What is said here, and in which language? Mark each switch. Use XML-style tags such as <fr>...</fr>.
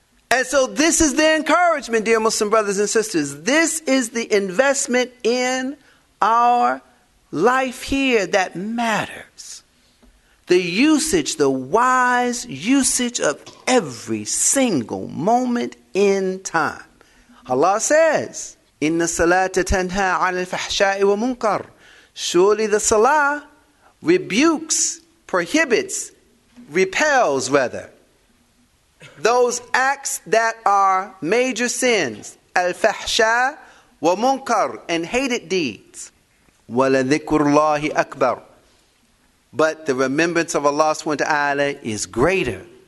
<en>And so this is the encouragement, dear Muslim brothers and sisters. This is the investment in our life here that matters. The usage, the wise usage of every single moment in time.</en> <ar>Allah says, إِنَّ الصَّلَاةَ تَنْهَى عَنِ الْفَحْشَاءِ وَمُنْكَرِ.</ar> <en>Surely the salah rebukes, prohibits, repels, rather, those acts that are major sins,</en> <ar>al-fahsha wa munkar,</ar> <en>and hated deeds.</en> <ar>Wala dhikrullahi akbar.</ar> <en>But the remembrance of Allah subhanahu wa ta'ala is greater.</en>